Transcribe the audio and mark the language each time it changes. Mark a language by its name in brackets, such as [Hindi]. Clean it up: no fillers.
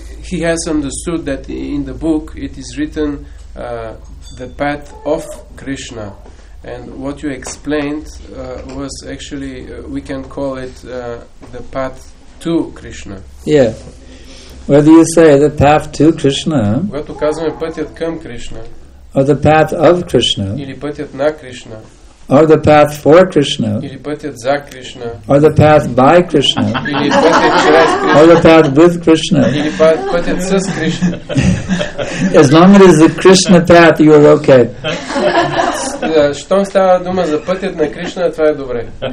[English] He has understood that in the book it is written the path of Krishna, and what you explained was actually we can call it the path to Krishna. Yeah. Whether you say the path to Krishna, [Bulgarian] когато казваме пътят към Кришна, [English] or the path of Krishna, [Bulgarian] или пътят на Кришна, [English] or the path for Krishna, [Bulgarian] или пътят за Кришна, [English] or the path by Krishna, [Bulgarian] или пътят чрез Кришна, [English] or the path with Krishna, [Bulgarian] или пътят с Кришна. [English] As long as it is the Krishna path, you are okay. [Bulgarian] Щом става дума за пътят на Кришна, това е добре.